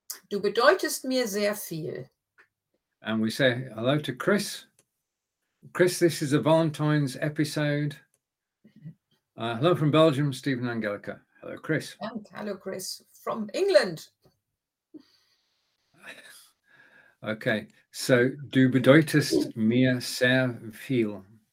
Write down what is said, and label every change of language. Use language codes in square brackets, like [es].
[de] Du bedeutest mir sehr viel. [en] And we say hello to Chris. Chris, this is a Valentine's episode. Hello from Belgium, Stephen Angelica. Hello, Chris. And hello, Chris from England. Okay. [de] So, du bedeutest mir sehr viel.